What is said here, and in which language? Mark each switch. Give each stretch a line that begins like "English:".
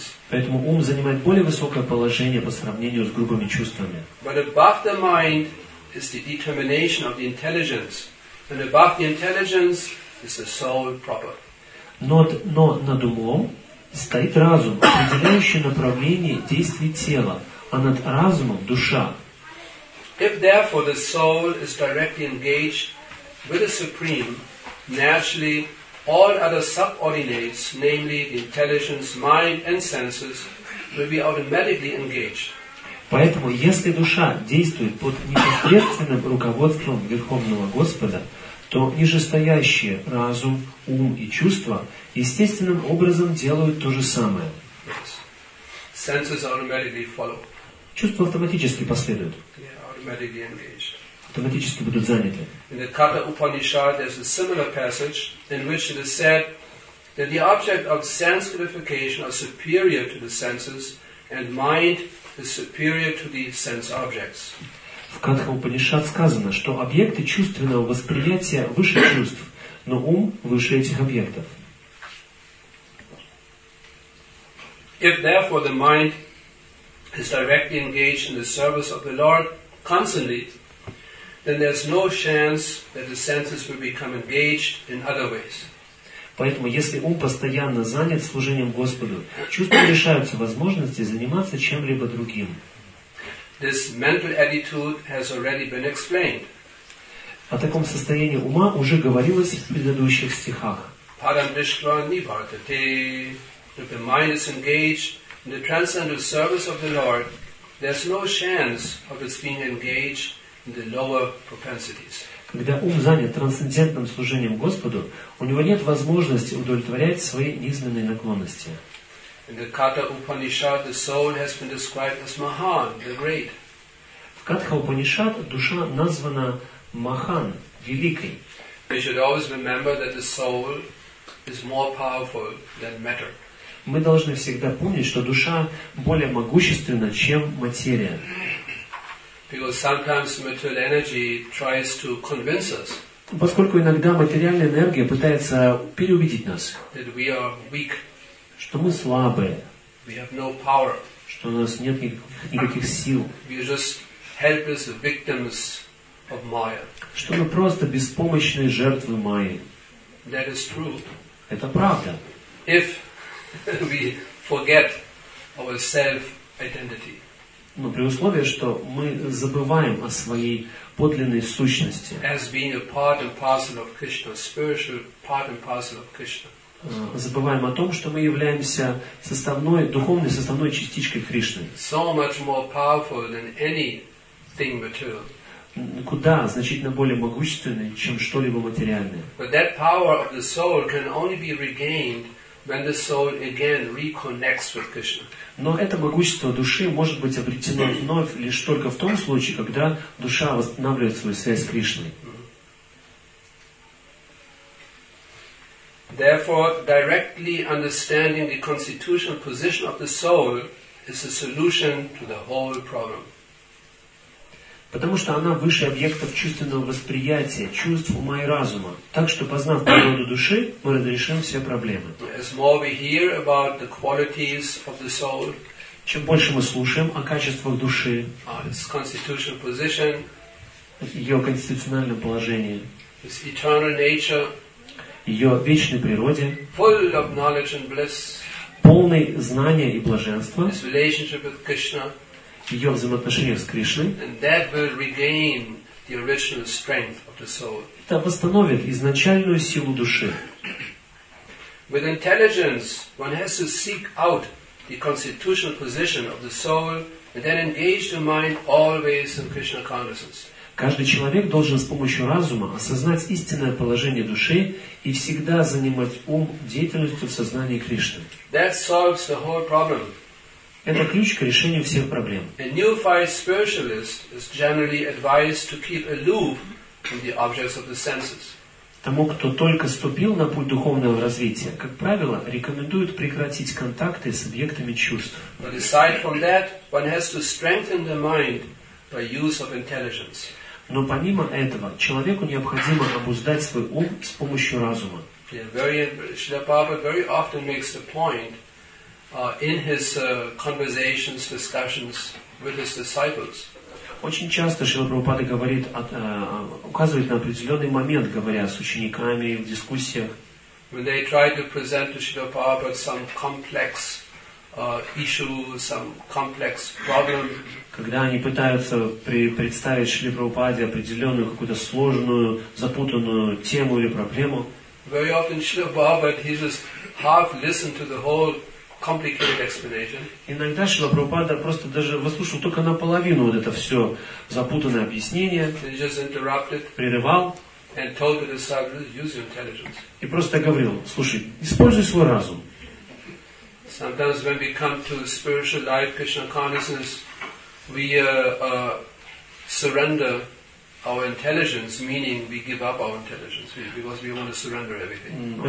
Russian: Поэтому ум занимает более высокое положение по сравнению с грубыми чувствами.
English: But above the mind is the determination of the intelligence, and above the intelligence is the soul proper.
Russian: Но над умом стоит разум, определяющий направление действий тела, а над разумом душа.
English: If therefore the soul is directly engaged with the supreme, naturally all other subordinates, namely the intelligence, mind, and senses, will be automatically engaged.
Russian: Поэтому, если душа действует под непосредственным руководством Верховного Господа, то нижестоящие разум, ум и чувства естественным образом делают то же самое.
English: Yes. Senses automatically follow.
Russian: Чувства автоматически последуют.
English: Yeah, automatically engaged.
Russian: Автоматически будут заняты.
English: In the Katha Upanishad, there's a similar passage in which it is said that the object of sense gratification are superior to the senses, and mind is superior to the sense objects.
Russian: В Катха Упанишад сказано, что объекты чувственного восприятия выше чувств, но ум выше этих объектов.
English: If therefore the mind is directly engaged in the service of the Lord constantly, then there's no chance that the senses will become engaged in other ways.
Russian: Поэтому, если ум постоянно занят служением Господу, чувства лишаются возможности заниматься чем-либо другим.
English: This mental attitude has already been explained.
Russian: О таком состоянии ума уже говорилось в предыдущих стихах.
Sanskrit: Param Krishna Nivartate,
English: if the mind is engaged in the transcendental service of the Lord, there's no chance of its being engaged. The lower propensities.
Russian: Когда ум занят трансцендентным служением Господу, у него нет возможности удовлетворять свои низменные наклонности.
English: In the Katha Upanishad, the soul has been described as Mahan, the great.
Russian: В Катха Упанишад душа названа Махан, великой.
English: We should always remember that the soul is more powerful than matter.
Russian: мы должны всегда помнить, что душа более могущественна, чем материя.
English: Because sometimes material energy tries to convince us.
Russian: Поскольку иногда материальная энергия пытается переубедить нас,
English: that we are weak.
Russian: Что мы слабы.
English: We have no power.
Russian: Что у нас нет никаких сил.
English: We are just helpless victims of Maya.
Russian: Что мы просто беспомощные жертвы Майи.
English: That is true.
Russian: Это правда.
English: If we forget our self-identity.
Russian: Но при условии, что мы забываем о своей подлинной сущности.
English: As being a part and parcel of Krishna, spiritual part and parcel of Krishna.
Russian: Забываем о том, что мы являемся составной, духовной составной частичкой Кришны.
English: So much more powerful than anything material.
Russian: Куда значительно более могущественной, чем что-либо материальное.
English: But that power of the soul can only be regained when the soul again reconnects with Krishna.
Russian: Но это могущество души может быть обретено вновь лишь только в том случае, когда душа восстанавливает свою связь с Кришной.
English: Therefore, directly understanding the constitutional position of the soul is a solution to the whole problem.
Russian: Потому что она выше объектов чувственного восприятия, чувств ума и разума. Так что, познав природу души, мы разрешим все проблемы.
English: As more we hear about the qualities of the soul,
Russian: чем больше мы слушаем о качествах души,
English: its constitutional position,
Russian: ее конституциональное положение,
English: its eternal nature,
Russian: ее вечной природе,
English: full of knowledge and bliss,
Russian: полной знания и блаженства,
English: its relationship with Krishna,
Russian: ее взаимоотношения с Кришной, это восстановит изначальную силу души.
English: With intelligence, one has to seek out the constitutional position of the soul and then engage the mind always in Krishna consciousness.
Russian: Каждый человек должен с помощью разума осознать истинное положение души и всегда занимать ум деятельностью в сознании Кришны.
English: That solves the whole problem.
Russian: Это ключ к решению всех проблем.
English: A neophyte spiritualist is generally advised to keep aloof from the objects of the senses.
Russian: Тому, кто только ступил на путь духовного развития, как правило, рекомендуют прекратить контакты с объектами чувств.
English: But aside from that, one has to strengthen the mind by use of intelligence.
Russian: Но помимо этого, человеку необходимо обуздать свой ум с помощью разума.
English: Шрила Прабхупада very often makes the point in his conversations, discussions with his disciples.
Russian: Очень часто Шрила Прабхупада говорит, указывает на определенный момент, говоря с учениками в дискуссиях.
English: When they try to present to Шрила Прабхупада some complex issue, some complex problem.
Russian: Когда они пытаются представить Шриле Прабхупаде определенную какую-то сложную, запутанную тему или проблему.
English: Very often Шрила Прабхупада, he just half listened to the whole complicated explanation.
Russian: Иногда Шрила Прабхупада просто даже выслушал только наполовину вот это все запутанное объяснение.
English: Then he just interrupted.
Russian: Прерывал.
English: And told the disciples, use your intelligence.
Russian: И просто говорил, слушай, используй свой разум.
English: Sometimes when we come to spiritual life, Krishna consciousness, we surrender our intelligence, meaning we give up our intelligence because we want to surrender everything.